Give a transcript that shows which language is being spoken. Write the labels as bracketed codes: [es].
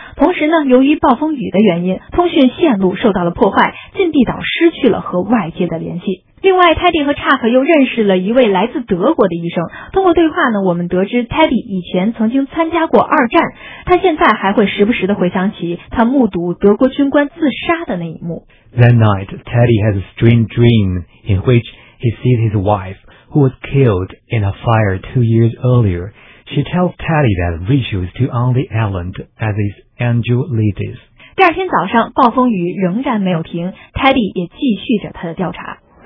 [zh] 同时呢，由于暴风雨的原因，通讯线路受到了破坏，禁闭岛失去了和外界的联系。另外 ，Teddy 和 Chuck 又认识了一位来自德国的医生。通过对话呢，我们得知 Teddy 以前曾经参加过二战，他现在还会时不时的回想起他目睹德国军官自杀的那一幕。 [en] That night, Teddy has a strange dream in which he sees his wife, who was killed in a fire 2 years earlier. She tells Teddy that Rachel is still on the island as is Angel Lydis. [zh] 第二天早上，暴风雨仍然没有停 ，Teddy 也继续着他的调查。